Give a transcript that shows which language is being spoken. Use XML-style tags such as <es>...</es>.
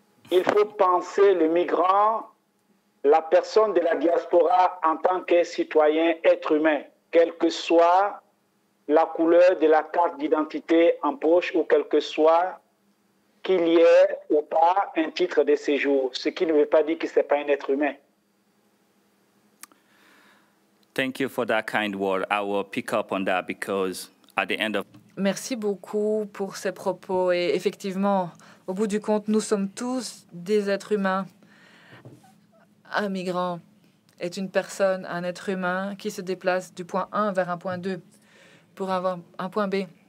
<fr>Il faut penser le migrant, la personne de la diaspora, en tant que citoyen, être humain, quelle que soit la couleur de la carte d'identité en poche ou quelle que soit qu'il y ait ou pas un titre de séjour, ce qui ne veut pas dire que ce n'est pas un être humain.</fr> <en>Thank you for that kind word. I will pick up on that because at the end of...</en> <fr>Merci beaucoup pour ces propos. Et effectivement, au bout du compte, nous sommes tous des êtres humains. Un migrant est une personne, un être humain qui se déplace du point 1 vers un point 2 pour avoir un point B.</fr>